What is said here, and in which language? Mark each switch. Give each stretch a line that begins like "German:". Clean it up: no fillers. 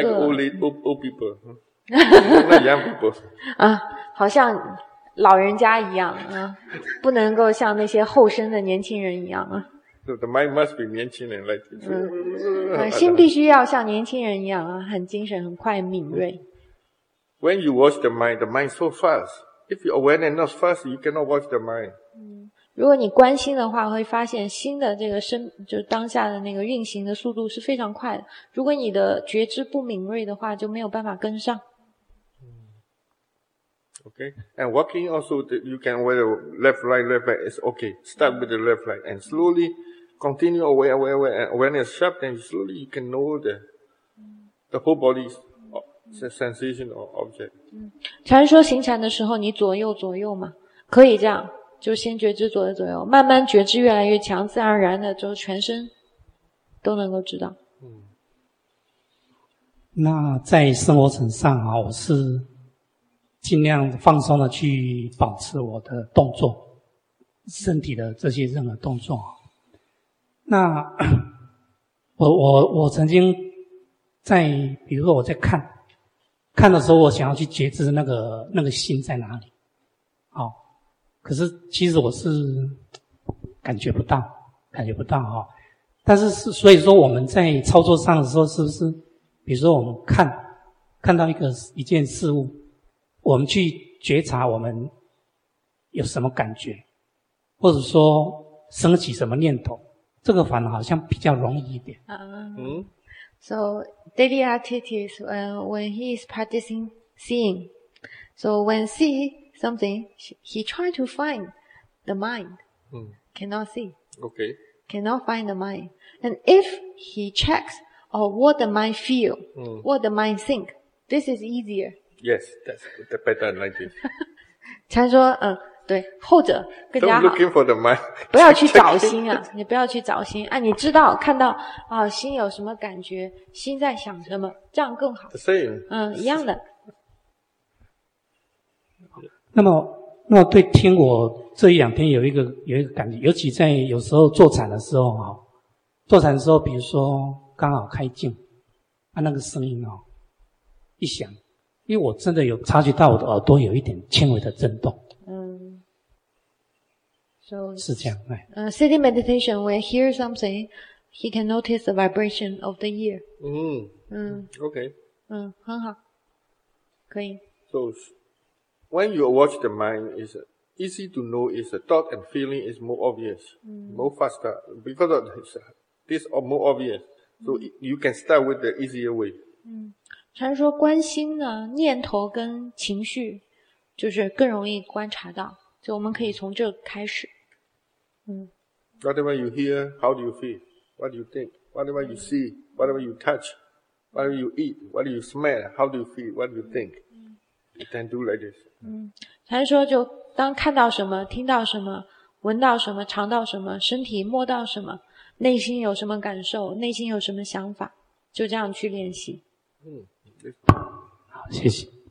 English: Like old people. Not young people.
Chinese: 好像老人家一样啊，不能够像那些后生的年轻人一样啊。
English: So the mind must be
Chinese: 年轻人
English: like this.
Chinese: 心必须要像年轻人一样啊，很精神，很快，很敏锐。
English: When you watch the mind is so fast. If your awareness not fast, you cannot watch the mind.
Chinese: 如果你关心的话，会发现心的这个生，就是当下的那个运行的速度是非常快的。如果你的觉知不敏锐的话，就没有办法跟上。
English: Okay, and walking also, you can aware left, right, it's okay. Start with the left, right, and slowly continue aware, and when it's sharp, then slowly you can know the whole body's sensation or object.
Chinese: 禅说行禅的时候，你左右嘛，可以这样，就先觉知左右，慢慢觉知越来越强，自然而然的就全身都能够知道。那在生活层上啊，我是尽量放松的去保持我的动作，身体的这些任何动作。那我曾经在，比如说我在看的时候，我想要去觉知那个心在哪里，好，可是其实我是感觉不到哈。但是所以说我们在操作上的时候，是不是比如说我们看到一件事物，我们去觉察我们有什么感觉，或者说升起什么念头，这个反而好像比较容易一点。
English: So daily activities, when he is practicing seeing, so when see something, he try to find the mind. Cannot see. Okay. Cannot find the mind. And if he checks, or what the mind feel, what the mind think, this is easier. Yes, that's the better analogy.
Chinese: 禅说，对，后者更加好。
English: Don't looking for the mind.
Chinese: 不要去找心啊，你不要去找心啊，你知道看到啊，心有什么感觉，心在想什么，这样更好。
English: The same.
Chinese: 一样的。那么对听，我这一两天有一个感觉，尤其在有时候坐禅的时候啊，坐禅的时候，比如说刚好开镜啊，那个声音哦一响，因为我真的有察觉到我的耳朵有一点轻微的震动。是这样。
English: Sitting meditation, when he hears something, he can notice the vibration of the ear. Okay.
Chinese: 很好，可以。
English: So, when you watch the mind, it's easy to know it's a thought and feeling is more obvious, more faster, because of this more obvious. So, you can start with the easier way.
Chinese: 禅说观心呢，念头跟情绪就是更容易观察到，所以我们可以从这开始。
English: Whatever you hear, how do you feel? What do you think? Whatever you see, whatever you touch, whatever you eat, what do you smell? How do you feel? What do you think? You can do like this.
Chinese: 禅说就当看到什么、听到什么、闻到什么、尝到什么、身体摸到什么、内心有什么感受、内心有什么想法，就这样去练习。好，谢谢。